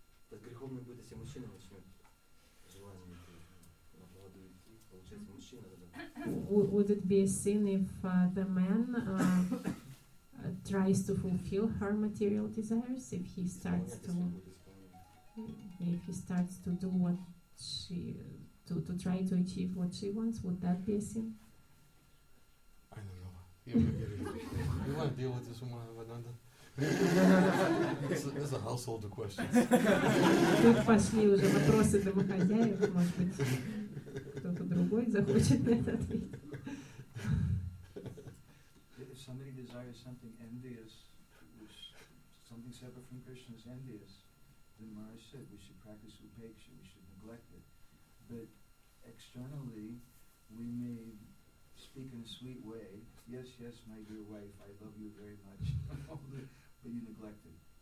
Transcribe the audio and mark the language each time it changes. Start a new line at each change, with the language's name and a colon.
Russian: Так греховный будет, если мужчина начнет желание на поводу идти, получается мужчина.
English: Would it be a sin if the man tries to fulfill her material desires if he starts to do what she to try to achieve what she wants? Would that be a sin? I don't know. You want to deal with this one, Vananda? This is a household question.
Russian: Тут пошли уже вопросы домохозяев, может быть. Кто-то другой захочет на это ответить.
English: If somebody desires something envious, something separate from Krishna is envious, then Maharaj said we should practice upeksha, we should neglect it. But externally, we may speak in a sweet way, yes, yes, my dear wife, I love you very much, but you neglect it.